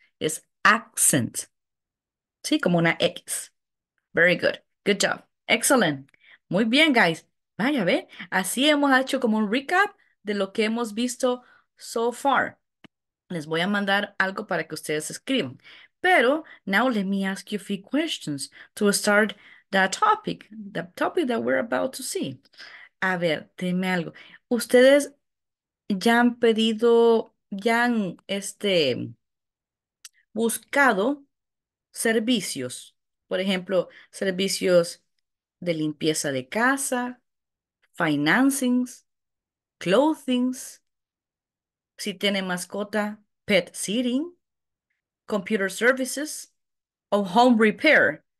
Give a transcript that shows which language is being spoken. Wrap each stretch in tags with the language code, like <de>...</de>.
<es>Es accent. Sí, como una X.</es> <en>Very good. Good job. Excellent.</en> <es>Muy bien, guys. Vaya, ve. Así hemos hecho como un recap de lo que hemos visto so far. Les voy a mandar algo para que ustedes escriban.</es> <en>Pero, now let me ask you a few questions to start the topic that we're about to see.</en> <es>A ver, dime algo. Ustedes... ya han pedido, ya han buscado servicios, por ejemplo, servicios de limpieza de casa, financings, clothings, si tiene mascota, pet sitting, computer services, o home repair.</es>